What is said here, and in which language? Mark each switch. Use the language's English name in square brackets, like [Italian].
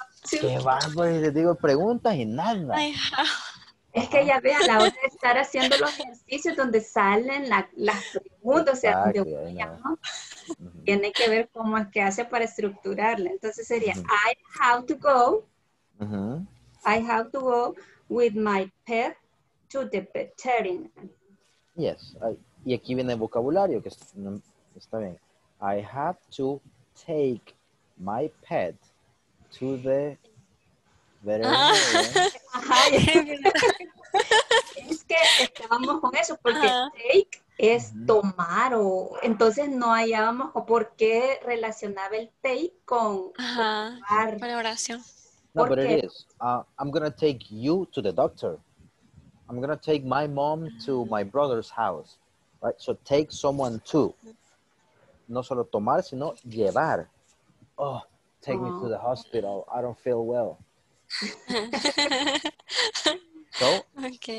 [Spanish] ¿Qué vago? Y les digo preguntas y nada. Es que ya vean, la hora de estar haciendo los ejercicios donde salen las preguntas, o sea, exacto, de ya, ¿no? Tiene que ver cómo es que hace para estructurarla. Entonces sería, uh-huh. [English] I have to go with my pet to the veterinary. [Spanish] Yes, y aquí viene el vocabulario, que está bien. [English] I have to take my pet to the veterinary. [Spanish] Es que estábamos con eso, porque take es tomar, o entonces no hallábamos por qué relacionaba el take con tomar. Con oración. [English] No, but it is. I'm going to take you to the doctor. I'm going to take my mom to my brother's house. Right? So take someone to. [Spanish] No solo tomar, sino llevar. [English] Oh, take me to the hospital. I don't feel well. So okay.